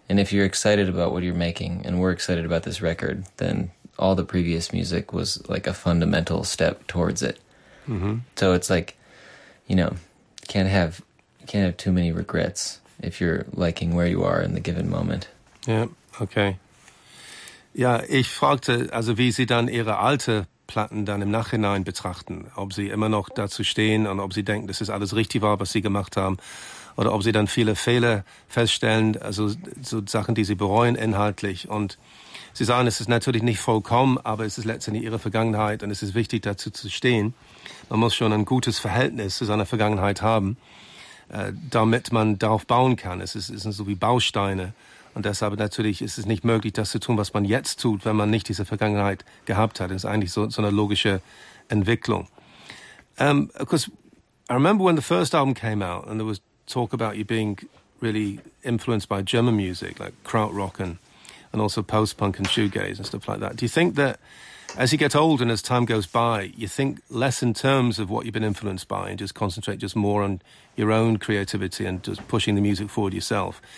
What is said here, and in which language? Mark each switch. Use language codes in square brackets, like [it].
[en] And if you're excited about what you're making, and we're excited about this record, then all the previous music was like a fundamental step towards it. Mm-hmm. So it's like, you know, can't have too many regrets if you're liking where you are in the given moment. Yeah, okay. [de] Ja, ich fragte, also wie Sie dann Ihre alte Platten dann im Nachhinein betrachten, ob Sie immer noch dazu stehen und ob Sie denken, dass es alles richtig war, was Sie gemacht haben, oder ob Sie dann viele Fehler feststellen, also so Sachen, die Sie bereuen inhaltlich. Und Sie sagen, es ist natürlich nicht vollkommen, aber es ist letztendlich Ihre Vergangenheit und es ist wichtig, dazu zu stehen. Man muss schon ein gutes Verhältnis zu seiner Vergangenheit haben, damit man darauf bauen kann. Es ist so wie Bausteine. Und deshalb natürlich ist es nicht möglich, das zu tun, was man jetzt tut, wenn man nicht diese Vergangenheit gehabt hat. Das ist eigentlich so eine logische Entwicklung. [en] Of course, I remember when the first album came out and there was talk about you being really influenced by German music, like Krautrock and also post-punk and shoegaze and stuff like that. Do you think that as you get older and as time goes by, you think less in terms of what you've been influenced by and just concentrate just more on your own creativity and just pushing the music forward yourself?